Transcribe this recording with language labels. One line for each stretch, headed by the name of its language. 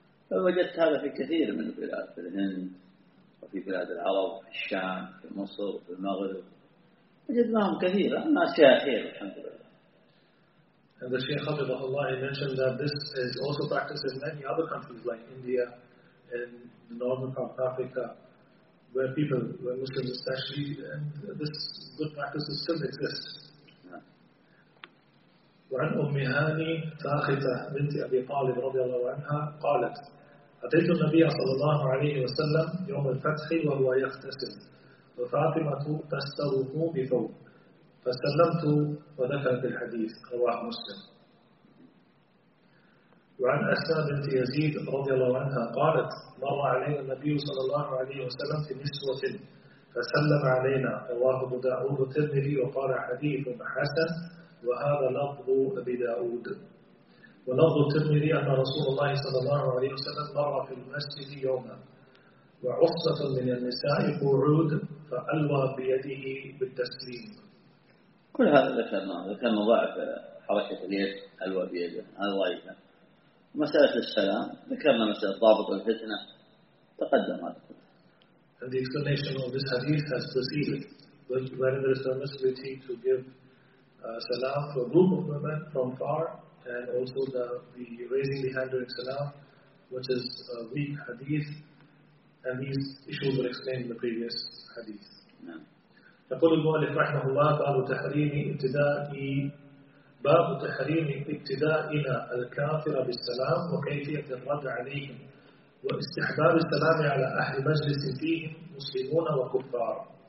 Arabic: فوجدت هذا في كثير من البلاد في الهند وفي بلاد العرب في الشام في مصر في المغرب وجدناهم كثير الناس يا خير الحمد لله.
English: And the Shaykh
Arabic: حفظه الله
English: mentioned that this is also practiced in many other countries like India and the northern part of Africa where people where Muslims especially and this good practices still exist.
Arabic: وعن أم هاني ساخطة بنت أبي طالب رضي الله عنها قالت أتيت النبي صلى الله عليه وسلم يوم الفتح وهو يغتسل وفاطمة تستره بثوب فسلمت وذكرت الحديث رواه مسلم. وعن أسماء بنت يزيد رضي الله عنها قالت مر علينا النبي صلى الله عليه وسلم في نسوة فسلم علينا رواه أبو داود الترمذي وقال حديث حسن وهذا لفظ أبي داود. ولفظ الترمذي أن رسول الله صلى الله عليه وسلم مر في المسجد يوما وعصفة من النساء قعود فألوى بيده بالتسليم. كل هذا ذكرنا ضعف حركة اليد ألوى بيده هذا ضعيفا. مسألة السلام ذكرنا مسألة ضابط الفتنة تقدم هذا.
English: And the explanation of this hadith has proceeded when there is a necessity to give salam to a group of women from far and also the raising the hand during salam, which is a weak hadith, and these issues were explained in the previous hadith.
Arabic: يقول المؤلف رحمه الله باب تحريم ابتدائي باب تحريم ابتدائنا الكافر بالسلام وكيفية الرد عليهم واستحباب السلام على أهل مجلس فيهم مسلمون وكفار.